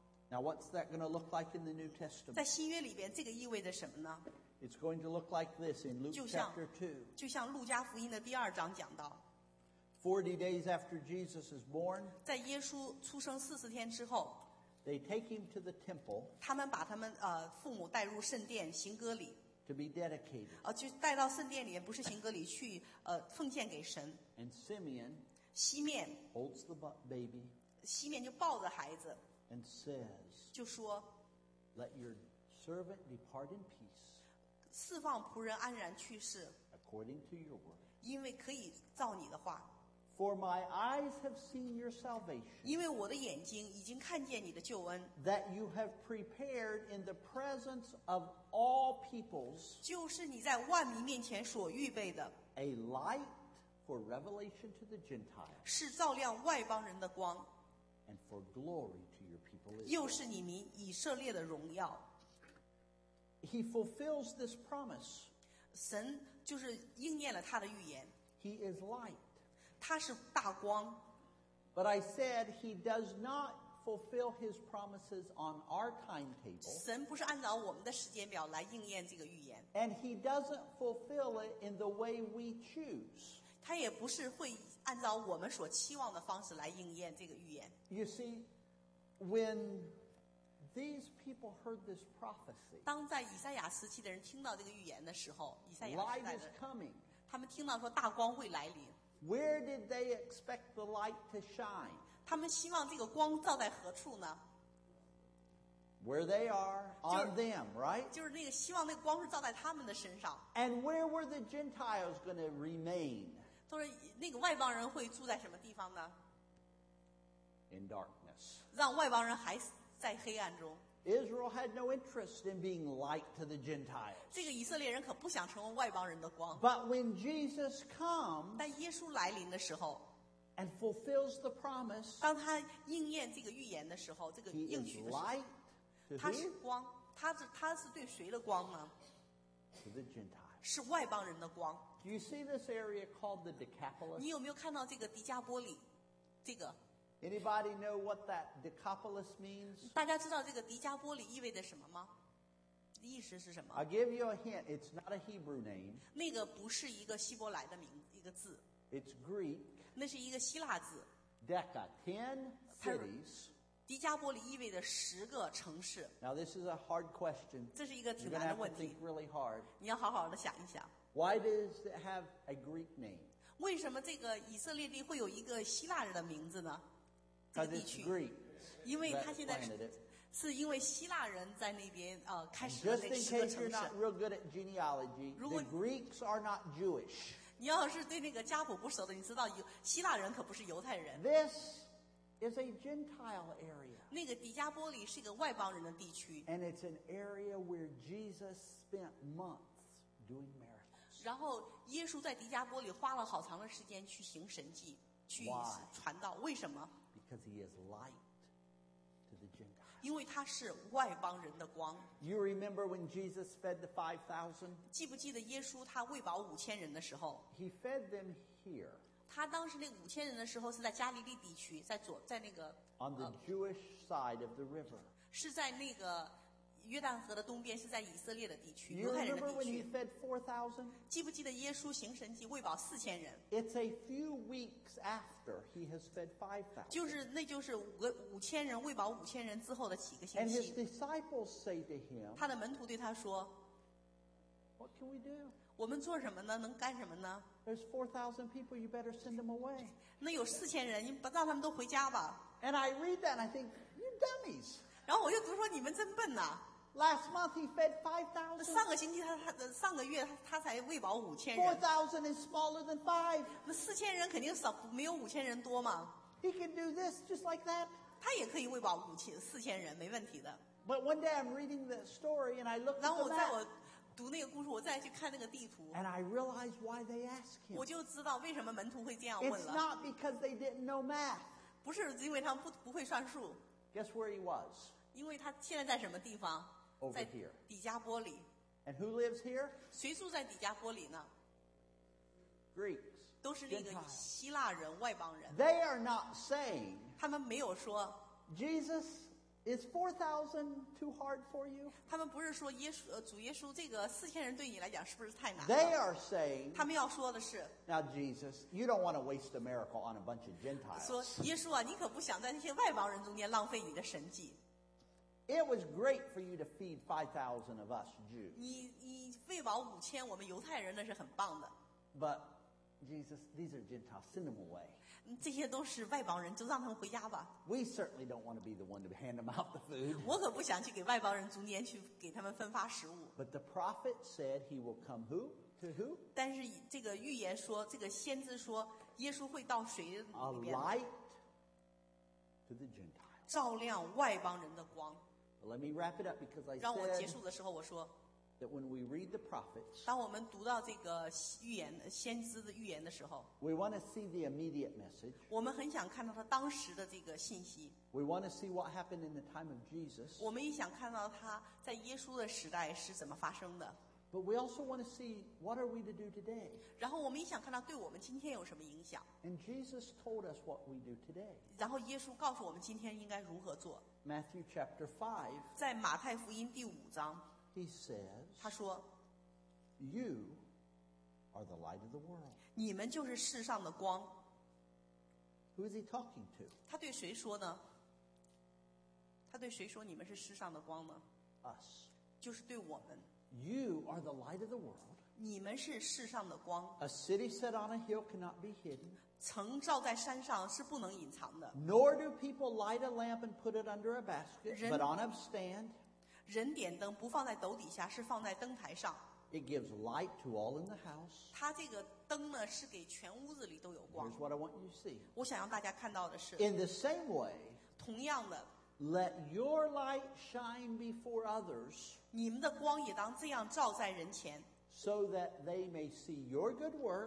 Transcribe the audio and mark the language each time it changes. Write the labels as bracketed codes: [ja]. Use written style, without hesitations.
[en] Now, what's that going to look like in the New Testament? [zh] 在新约里边，这个意味着什么呢？ [en] It's going to look like this in Luke chapter 2. [zh] 就像路加福音的第二章讲到。 [en] 40 days after Jesus is born, [zh] 在耶稣出生40天之后， [en] they take him to the temple, [zh] 他们把他们父母带入圣殿行割礼， [en] to be dedicated, [zh] 就带到圣殿里面，不是行割礼，去奉献给神。 [en] And Simeon, [zh] 西面 [en] holds the baby, [zh] 西面就抱着孩子， [en] and says, [zh] 就说， [en] let your servant depart in peace, [zh] 释放仆人安然去世， [en] According to your word, [zh] 因为可以照你的话。 [en] For my eyes have seen your salvation, [zh] 因为我的眼睛已经看见你的救恩。 [en] That you have prepared in the presence of all peoples, [zh] 就是你在万民面前所预备的。 [en] A light for revelation to the Gentiles, [zh] 是照亮外邦人的光。 [en] And for glory to your people, [zh] 又是你民以色列的荣耀。 [en] He fulfills this promise. [zh] 神就是应验了他的预言。 [en] He is light. [zh] 他是大光。 [en] But I said he does not fulfill his promises on our timetable. [zh] 神不是按照我们的时间表来应验这个预言。 [en] And he doesn't fulfill it in the way we choose. [zh] 他也不是会按照我们所期望的方式来应验这个预言。 [en] You see, when... These people heard this prophecy. [zh] 当在以赛亚时期的人听到这个预言的时候，以赛亚时代的人，他们听到说大光会来临。 [en] Where did they expect the light to shine? [zh] 他们希望这个光照在何处呢？ [en] Where they are, on them, right? [zh] 就是那个希望那个光是照在他们的身上。 [en] And where were the Gentiles going to remain? [zh] 都是那个外邦人会住在什么地方呢？ [en] In darkness. [zh] 让外邦人还死。在黑暗中， [en] Israel had no interest in being light to the Gentiles. [zh] 这个以色列人可不想成为外邦人的光。 [en] But when Jesus comes, [zh] 但耶稣来临的时候， [en] and fulfills the promise, [zh] 当他应验这个预言的时候，这个应许的时候， [en] He is light to whom? [zh] 他是光，他是对谁的光呢？ [en] To the Gentiles. [zh] 是外邦人的光。 [en] Do you see this area called the Decapolis? [zh] 你有没有看到这个迪加波里？这个。 [en] Anybody know what that Decapolis means? [zh] 大家知道这个迪加波里意味着什么吗？意思是什么？ [en] I'll give you a hint. It's not a Hebrew name. [zh] 那个不是一个希伯来的名一个字。 [en] It's Greek. [zh] 那是一个希腊字。 [en] Deca, 10 cities. [zh] 迪加波里意味着十个城市。 [en] Now this is a hard question. [zh] 这是一个挺难的问题。 [en] You're gonna have to think really hard. [zh] 你要好好的想一想。 [en] Why does it have a Greek name? [zh] 为什么这个以色列地会有一个希腊人的名字呢？ [en] Because it's Greek, [zh] 因为他现在 是因为希腊人在那边开始了那十个城市。 [en] Just in case you're not real good at genealogy, the Greeks are not Jewish. [zh] 你要是对那个家谱不熟的，你知道希腊人可不是犹太人。 [en] This is a Gentile area. [zh] 那个底加波里是一个外邦人的地区。 [en] And it's an area where Jesus spent months doing miracles. [zh] 然后耶稣在底加波里花了好长的时间去行神迹，去传道。 [en] Why? [zh] 为什么？ [en] Because he is light to the Gentiles. [zh] 因为他是外邦人的光。 [en] You remember when Jesus fed the 5,000? [zh] 记不记得耶稣他喂饱五千人的时候？ [en] He fed them here. [zh] 他当时那五千人的时候是在加利利地区，在那个。 [en] On the Jewish side of the river. [zh] 是在那个约旦河的东边，是在以色列的地区，犹太人的地区。 [en] You remember when he fed 4,000? [zh] 记不记得耶稣行神迹喂饱四千人？ [en] It's a few weeks after he has fed 5,000. [zh] 就是五千人喂饱五千人之后的几个星期。 [en] And his disciples say to him, [zh] 他的门徒对他说， [en] What can we do? [zh] 我们做什么呢？能干什么呢？ [en] There's 4,000 people, you better send them away. [zh] 那有四千人，你不让他们都回家吧。 [en] And I read that and I think, you dummies. [zh] 然后我就读说你们真笨呐。 [en] Last month he fed 5,000. [zh] 上个星期他才喂饱五千人。 [en] 4,000 is smaller than 5. [zh] 那四千人肯定少，没有五千人多嘛。 [en] He can do this just like that. [zh] 他也可以喂饱四千人，没问题的。 [en] But one day I'm reading the story and I look at the map. [zh] 然后我读那个故事，我再去看那个地图。 [en] And I realize why they ask him. [zh] 我就知道为什么门徒会这样问了。 [en] It's not because they didn't know math. [zh] 不是因为他们不会算数。 [en] Guess where he was? [zh] 因为他现在在什么地方？ [en] Over here. [zh] 底加波里。 [en] And who lives here? [zh] 谁住在底加波里呢？ [en] Greeks, [zh] 都是那个希腊人外邦人 [en] They are not saying, [zh] 他们没有说 [en] Jesus, is 4,000 too hard for you? [zh] 他们不是说耶稣主耶稣这个四千人对你来讲是不是太难了 [en] They are saying, [zh] 他们要说的是 [en] Now Jesus, you don't want to waste a miracle on a bunch of Gentiles. [zh] 说耶稣啊你可不想在那些外邦人中间浪费你的神迹 [en] It was great for you to feed 5,000 of us Jews. [zh] 你喂饱五千我们犹太人那是很棒的。 [en] But Jesus, these are Gentiles. Send them away. [zh] 这些都是外邦人，就让他们回家吧。 [en] We certainly don't want to be the one to hand them out the food. [zh] 我可不想去给外邦人逐年去给他们分发食物。 [en] But the prophet said he will come who to who? [zh] 但是这个预言说，这个先知说，耶稣会到谁里边 [en] ？A light to the Gentiles. [zh] 照亮外邦人的光。 [en] Let me wrap it up because I said that when we read the prophets, [zh] 当我们读到这个预言先知的预言的时候 [en] we want to see the immediate message. [zh] 我们很想看到他当时的这个信息 [en] We want to see what happened in the time of Jesus. [zh] 我们也想看到他在耶稣的时代是怎么发生的 [en] But we also want to see what are we to do today. [zh] 然后我们也想看到对我们今天有什么影响 [en] And Jesus told us what we do today. [zh] 然后耶稣告诉我们今天应该如何做。 [en] Matthew chapter 5, [zh] 在马太福音第五章 [en] he says, [zh] 他说 [en] you are the light of the world. [zh] 你们就是世上的光。 [en] Who is he talking to? [zh] 他对谁说呢？他对谁说你们是世上的光呢？ [en] Us. [zh] 就是对我们。 [en] You are the light of the world. [zh] 你们是世上的光。 [en] A city set on a hill cannot be hidden. [zh] 城照在山上是不能隐藏的。 [en] Nor do people light a lamp and put it under a basket, but on a stand. [zh] 人点灯不放在斗底下，是放在灯台上。 [en] It gives light to all in the house. [zh] 它这个灯呢，是给全屋子里都有光。 [en] Here's what I want you to see. [zh] 我想让大家看到的是。 [en] In the same way. [zh] 同样的。 [en] Let your light shine before others. [zh] 你们的光也当这样照在人前。 [en] So that they may see your good work,